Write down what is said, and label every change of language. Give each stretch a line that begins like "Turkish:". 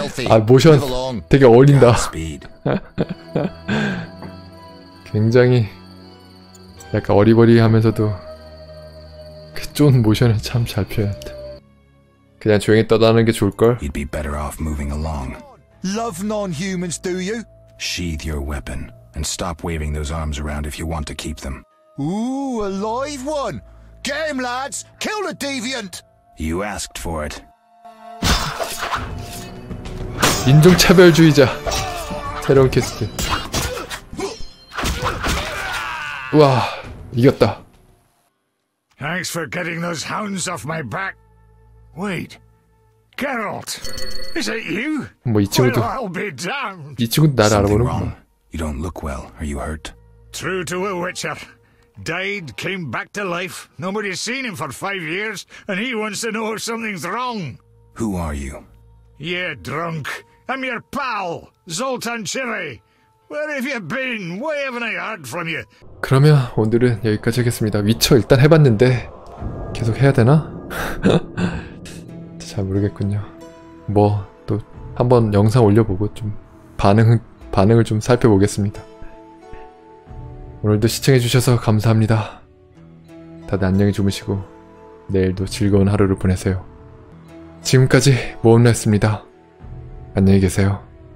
Korean: 아 모션 되게 어울린다. 굉장히 약간 어리버리하면서도 그 존 모션을 참 잘 표현했다. 그냥 조용히 떠나는 게 좋을 걸.
English: You'd be better off moving along. Love non-humans, do you? Sheath your weapon and stop waving those arms around if you want to keep them. Ooh, a live one. Game, lads. Kill the deviant. You asked for it.
Korean: 인종차별주의자. 새로운 퀘스트. 우와, 이겼다.
English: Thanks for getting those hounds off my back. Wait, Geralt, is it you?
Korean: 뭐 이 친구도
English: I'll be damned.
Korean: 이 친구도 나를 알아보는구나.
English: You don't look well. Are you hurt? True to a Witcher, died, came back to life. Nobody's seen him for 5 years, and he wants to know if something's wrong. Who are you? You're drunk. I'm your pal, Zoltan Chiri. Where have you been? Why haven't I heard from you?
Korean: 그러면 오늘은 여기까지 하겠습니다. 위쳐 일단 해봤는데 계속 해야 되나? 잘 모르겠군요. 뭐 또 한번 영상 올려보고 좀 반응을 좀 살펴보겠습니다. 오늘도 시청해주셔서 감사합니다. 다들 안녕히 주무시고 내일도 즐거운 하루를 보내세요. 지금까지 모험나였습니다. 안녕히 계세요.